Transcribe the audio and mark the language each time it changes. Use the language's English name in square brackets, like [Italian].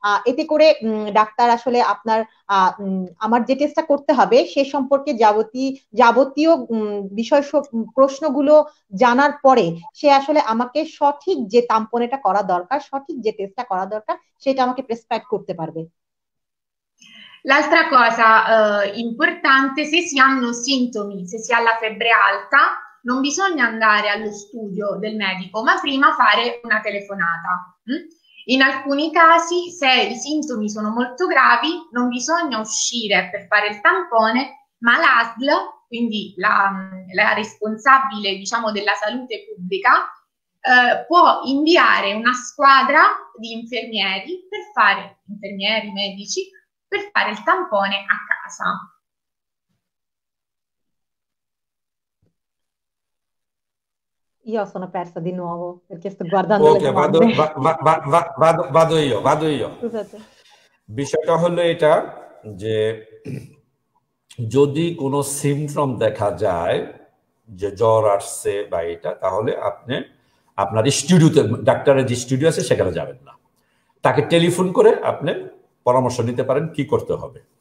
[Bangla] এতে করে ডাক্তার আসলে আপনার আমার যে টেস্টটা করতে হবে সে সম্পর্কে যাবতীয় বিষয় প্রশ্নগুলো জানার পরে সে আসলে আমাকে সঠিক যে তাম্পনেটা করা দরকার, সঠিক যে টেস্টটা করা দরকার সেটা আমাকে প্রেসক্রাইব করতে পারবে। [Italian] L'altra cosa importante, se si hanno sintomi, se si ha la febbre alta, non bisogna andare allo studio del medico, ma prima fare una telefonata. In alcuni casi, se i sintomi sono molto gravi, non bisogna uscire per fare il tampone, ma l'ASL, quindi la responsabile, diciamo, della salute pubblica, può inviare una squadra di infermieri per fare, infermieri, medici, per fare il tampone a casa. Io sono persa di nuovo perché sto guardando okay, le vado, domande. Vado io, vado io. Scusate. Bisogna parlare di [Bangla] যদি কোনো symptom দেখা যায় যে জ্বর আসছে বা এটা, তাহলে আপনি আপনার স্টুডিওতে, ডাক্তারের যে স্টুডিও আছে সেখানে যাবেন না, তাকে টেলিফোন করে আপনি পরামর্শ নিতে পারেন কি করতে হবে।